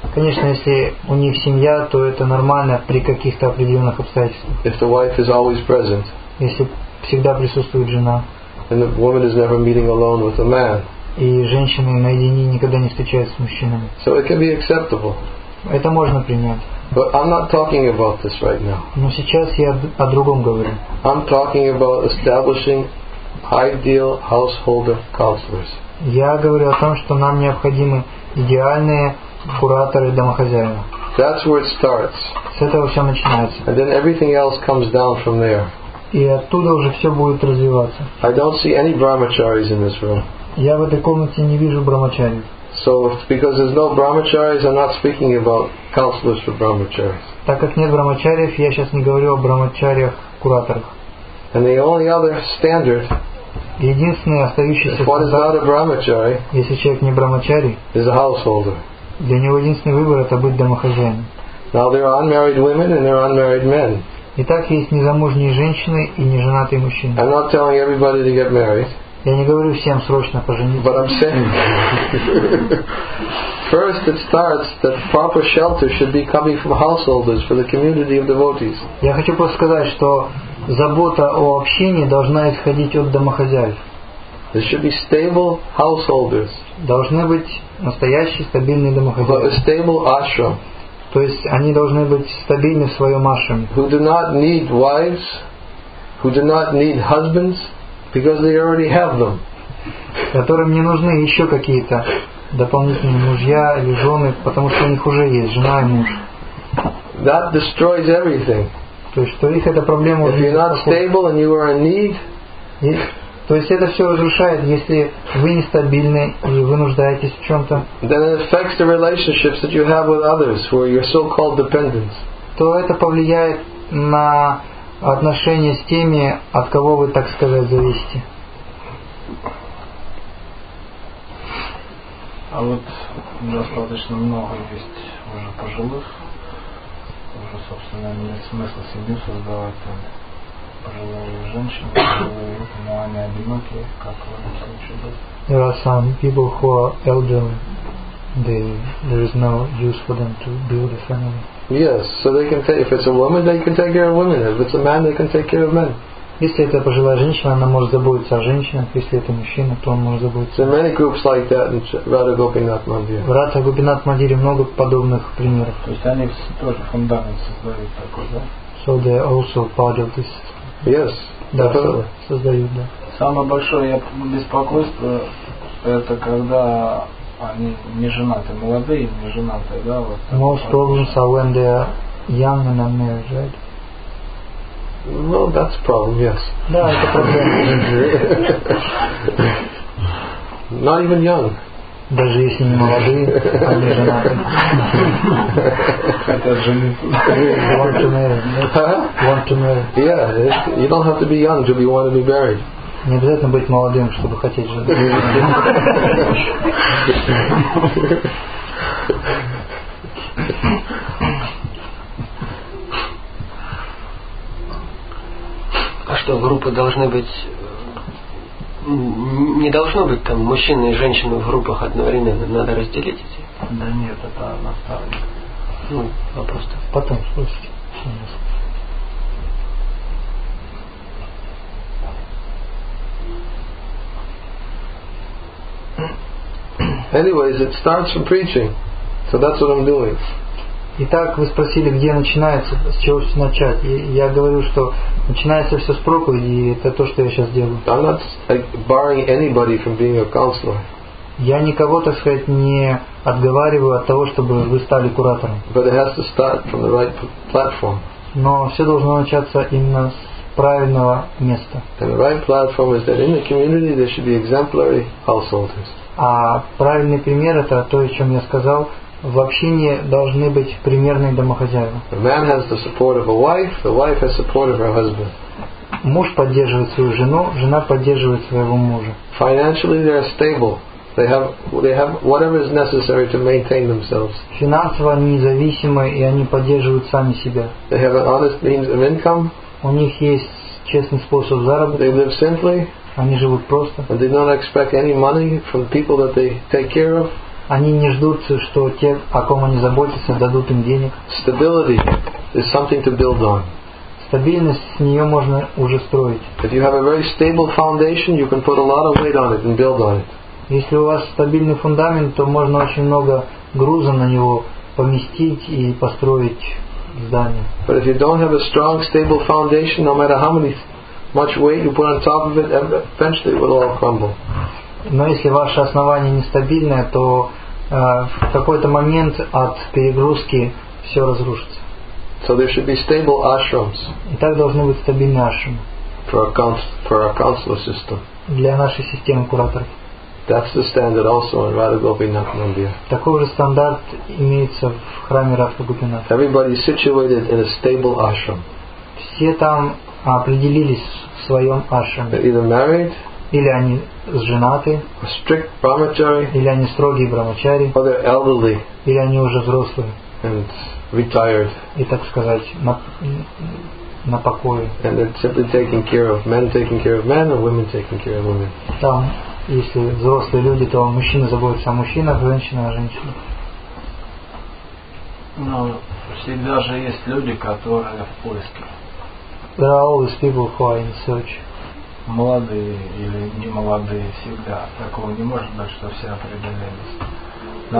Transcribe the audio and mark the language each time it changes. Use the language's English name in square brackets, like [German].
[Russian] Конечно, если у них семья, то это нормально при каких-то определенных обстоятельствах. [English] If the wife is always present. [Russian] Если всегда присутствует жена. [English] And the woman is never meeting alone with a man. [Russian] И женщины наедине никогда не встречаются с мужчинами. [English] So it can be acceptable. [Russian] Это можно принять. [English] But I'm not talking about this right now. [Russian] Но сейчас я о другом говорю. [English] I'm talking about establishing ideal householder counselors. [Russian] Я говорю о том, что нам необходимы идеальные кураторы домохозяева. [English] That's where it starts. [Russian] С этого все начинается. [English] And then everything else comes down from there. [Russian] И оттуда уже все будет развиваться. [English] I don't see any brahmacharis in this room. [Russian] Я в этой комнате не вижу брахмачарий. [English] So because there's no brahmacharis, I'm not speaking about counselors for brahmacharis. [Russian] Так как нет брахмачариев, я сейчас не говорю о брахмачариях-кураторах. [English] And the only other standard, [Russian] единственный остающийся [English] standard, if one is not a brahmachari, [Russian] если человек не брахмачарий, [English] is a householder. [Russian] Для него единственный выбор это быть домохозяином. [English] Now there are unmarried women and there are unmarried men. [Russian] Итак, есть незамужние женщины и неженатые мужчины. [English] I'm not telling everybody to get married. [Russian] Я не говорю всем срочно пожениться. [English] But I'm saying, first it starts that proper shelter should be coming from householders for the community of devotees. [Russian] Я хочу просто сказать, что забота о общине должна исходить от домохозяев. [English] There should be stable householders. [Russian] Должны быть настоящий стабильный домохозяин. [English] Stable ashram. [Russian] То есть они должны быть стабильны в своем ашраме. [English] Who do not need wives, who do not need husbands, because they already have them. [Russian] Которым не нужны еще какие-то дополнительные мужья или жены, потому что у них уже есть жена и муж. [English] That destroys everything. [Russian] То есть, что их эта проблема. [English] If you're not stable and you are in need. [Russian] То есть это все разрушает, если вы нестабильны и вы нуждаетесь в чем-то. [English] Then it affects the relationships that you have with others, where your so-called dependents. [Russian] То это повлияет на отношения с теми, от кого вы, так сказать, зависите. А вот достаточно много есть уже пожилых, уже, собственно, нет смысла семью создавать там. [English] There are some people who are elderly. There is no use for them to build a family. Yes, so they can take. If it's a woman, they can take care of women. If it's a man, they can take care of men. [Russian] Если это пожилая женщина, она может заботиться о женщинах. Если это мужчина, то он может заботиться. [English] There are many groups like that in Radha Gopinath Mandir. [Russian] В Радха Гопинат Мандире много подобных примеров. То есть они тоже фундамент создают такой, да? [English] So they are also part of this. Yes. [Russian] Да, создают, да. Самое большое беспокойство это когда они не женаты, молодые, не женаты, да, вот. [English] Most problems are when they are young and unmarried, right? Well, that's a problem, yes. [Russian] Да, это проблема. [English] Not even young. [Russian] Даже если не молодые, а не женаты. [English] Want to marry. Yeah, you don't have to be young to be want to be married. [Russian] Не обязательно быть молодым, чтобы хотеть женаты. А что, группы должны быть... Не должно быть там мужчины и женщины в группах одновременно, надо разделить эти? Да нет, это наставник. Ну, вопрос так. Потом спросите. [English] Anyways, it starts from preaching. So that's what I'm doing. [Russian] Итак, вы спросили, где начинается, с чего все начать. И я говорю, что начинается все с проповеди, и это то, что я сейчас делаю. [English] I'm not barring anybody from being a counselor. [Russian] Я никого, так сказать, не отговариваю от того, чтобы вы стали куратором. [English] But it has to start from the right platform. [Russian] Но все должно начаться именно с правильного места. [English] And the right platform is that in the community there should be exemplary householders. [Russian] А правильный пример это то, о чем я сказал. В общине должны быть примерные домохозяева. [English] The man has the support of a wife, the wife has support of her husband. [Russian] Муж поддерживает свою жену, жена поддерживает своего мужа. [English] Financially they are stable. They have whatever is necessary to maintain themselves. [Russian] Финансово они независимы и они поддерживают сами себя. [English] They have an honest means of income. [Russian] У них есть честный способ заработка. [English] They live simply. [Russian] Они живут просто. [English] And they do not expect any money from people that they take care of. [Russian] Они не ждут, что те, о ком они заботятся, дадут им денег. [English] Stability is something to build on. [Russian] Стабильность, с нее можно уже строить. [English] If you have a very stable foundation, you can put a lot of weight on it and build on it. [Russian] Если у вас стабильный фундамент, то можно очень много груза на него поместить и построить здание. [English] But if you don't have a strong, stable foundation, no matter how much weight you put on top of it, eventually it will all crumble. [Russian] Но если ваше основание нестабильное, то в какой-то момент от перегрузки все разрушится. [English] So there should be stable ashrams. [Russian] И так должны быть стабильные ашрамы. [English] For our counselor system. [Russian] Для нашей системы кураторов. [English] That's the standard also in Radha Gopinath Mandir. [Russian] Такой же стандарт имеется в храме Радха Гопинат. [English] Everybody is situated in a stable ashram. [Russian] Все там определились в своем ашраме. [English] They're either married. [Russian] Или они женаты, [English] strict brahmachari, [Russian] или они строгие брахмачари, [English] or they're elderly, [Russian] или они уже взрослые, [English] and retired, [Russian] и так сказать, на покое. [English] And they're simply taking care of men, taking care of men, and women taking care of women. [Russian] Там, если взрослые люди, то мужчины заботятся о мужчинах, женщины о женщинах. Но всегда же есть люди, которые в поиске. [English] There are always people who are in search. [Russian] Молодые или не молодые всегда. Такого не может быть, что все определились.